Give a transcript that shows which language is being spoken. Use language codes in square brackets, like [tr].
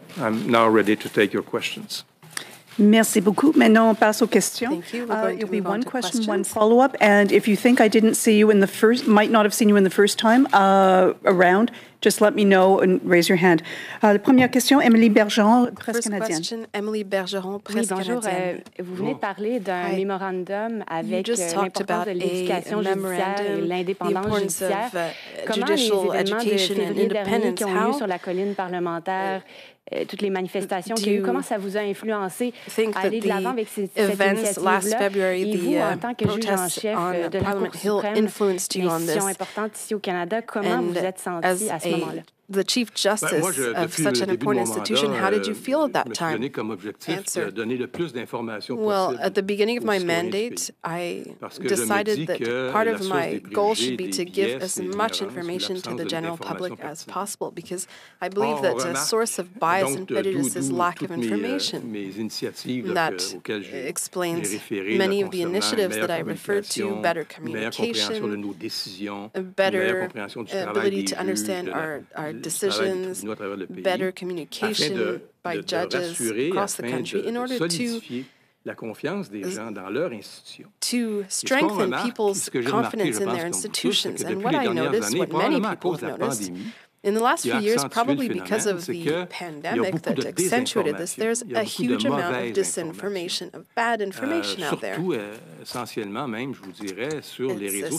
[en] I'm now ready to take your questions. [fr] Merci beaucoup. Maintenant, on passe aux questions. [en] There'll be one question, one follow-up. And if you think I didn't see you in the first, might not have seen you in the first time around, just let me know and raise your hand. [fr] La première question, Emily Bergeron, Presse Canadienne. [en] First question, Emily Bergeron, Presse Canadienne. [fr] Vous venez de parler d'un mémorandum avec l'importance de l'éducation judiciaire et l'indépendance judiciaire. Comment les événements de février dernier qui ont eu sur la colline parlementaire toutes les manifestations qu'il y a eu, comment ça vous a influencé à aller de l'avant avec cette initiative-là? Et vous, en tant que juge en chef de la Cour suprême, une institution importante ici au Canada, comment vous êtes senti à ce moment-là? [en] the Chief Justice of such an important institution, how did you feel at that time? Answer. Well, at the beginning of my mandate, I decided that part of my goal should be to give as much information to the general public as possible, because I believe that a source of bias and prejudice is lack of information. That explains many of the initiatives that I referred to: better communication, better ability to understand our decisions, better communication by judges across the country, in order to [fr] la confiance des gens dans leur institution. [en] To strengthen people's confidence in their institutions. And what I noticed, what many people have noticed, in the last few years, probably because of the pandemic that accentuated this, there's a huge amount of disinformation, of bad information out there. [fr] Essentiellement même, je vous dirais, sur les réseaux